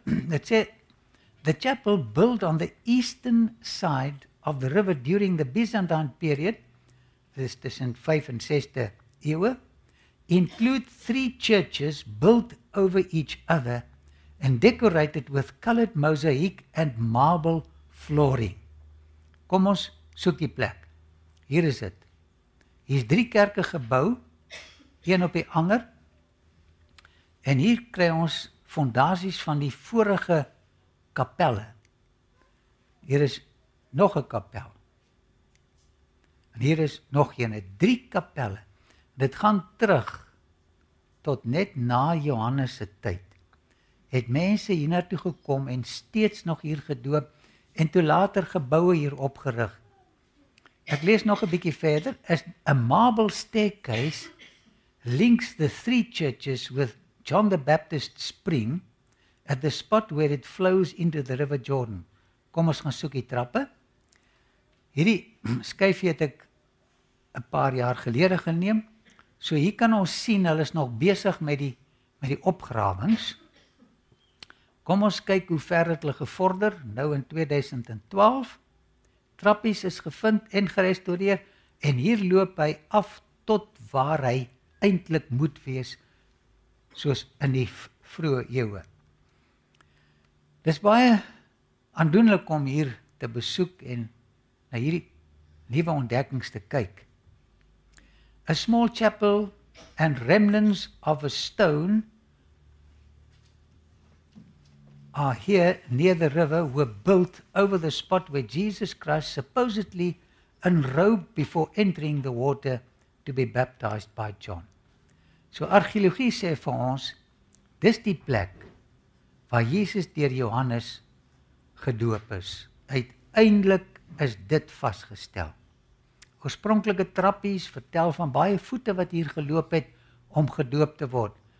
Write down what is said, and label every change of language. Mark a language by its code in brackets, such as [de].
[en] It said, the chapel built on the eastern side of the river during the Byzantine period, this is in 5 and 6 eeuwe, include three churches built over each other and decorated with colored mosaic and marble flooring. [af] Kom ons soek die plek. Hier is dit. Hier is drie kerke gebou, een op die ander. En hier kry ons fondasies van die vorige kapelle. Hier is nog 'n kapel. En hier is nog een, drie kapelle. Dit gaan terug tot net na Johannes se tyd, het mense hiernatoe gekom en steeds nog hier gedoop en toe later geboue hier opgerig. Ek lees nog 'n bietjie verder, is 'n [en] marble staircase links the three churches with John the Baptist spring at the spot where it flows into the River Jordan. [af] Kom ons gaan soek die trappe. Hierdie skuifie het ek 'n paar jaar gelede geneem. So hier kan ons sien, hulle is nog besig met die opgrawings. Kom ons kyk hoe ver het hulle gevorder, nou in 2012. Trappies is gevind en gerestoreer en hier loop hy af tot waar hy eintlik moet wees, soos in die vroeë eeue. Dis baie aandoenlik om hier te besoek en na hierdie nuwe ontdekkings te kyk. [en] A small chapel and remnants of a stone are here near the river were built over the spot where Jesus Christ supposedly unrobed before entering the water to be baptized by John. [af] So archeologie sê vir ons, dis die plek waar Jesus deur Johannes gedoop is. Uiteindelik is dit vasgestel. Oorspronklike trappies vertel van baie voete wat hier geloop het om gedoop te word.